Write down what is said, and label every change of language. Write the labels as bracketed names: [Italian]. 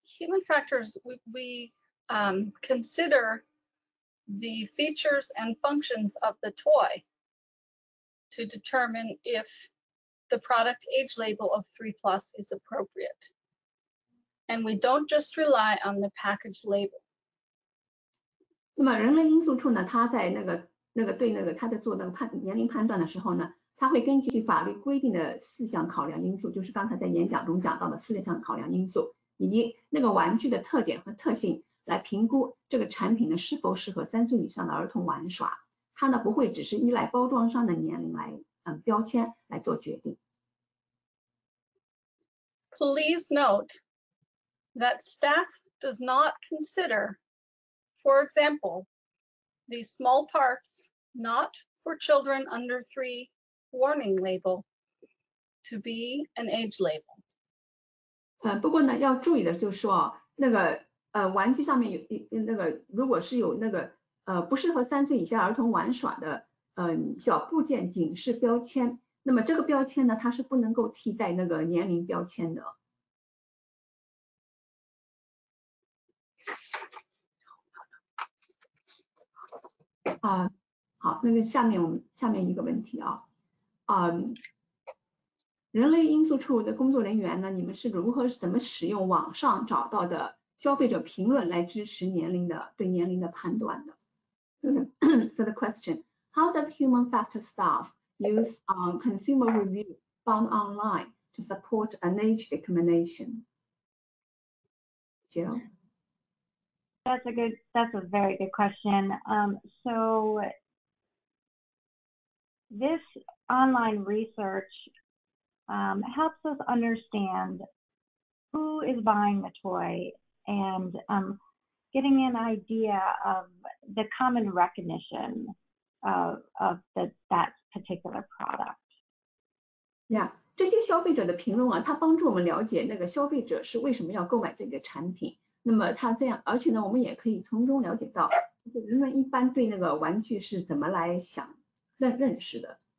[English] Human factors, we consider the features and functions of the toy to determine if the product age label of 3+ is appropriate. And we don't just rely on the package label. [Chinese] 那么人类因素处呢？他在那个对那个他在做那个年龄判断的时候呢，他会根据法律规定的四项考量因素，就是刚才在演讲中讲到的四项考量因素，以及那个玩具的特点和特性来评估这个产品呢是否适合三岁以上的儿童玩耍。他呢不会只是依赖包装上的年龄来标签来做决定。 [English] Please note that staff does not consider, for example, the small parts not for children under 3 warning label to be an age label. [Chinese] 不过呢，要注意的就是说，那个玩具上面有那个如果是有那个不适合三岁以下儿童玩耍的小部件警示标签，那么这个标签呢，它是不能够替代那个年龄标签的。啊，好，那个下面我们下面一个问题啊，人力因素处的工作人员呢，你们是如何怎么使用网上找到的消费者评论来支持年龄的对年龄的判断的？ [English] So the question, how does human factor staff use consumer review found online to support an age determination? Jill? That's a very good question. So this online research helps us understand who is buying the toy and getting an idea of the common recognition of the, that particular product. [Chinese] Yeah, 这些消费者的评论啊，它帮助我们了解那个消费者是为什么要购买这个产品。那么它这样，而且呢，我们也可以从中了解到，人们一般对那个玩具是怎么来想、认识的。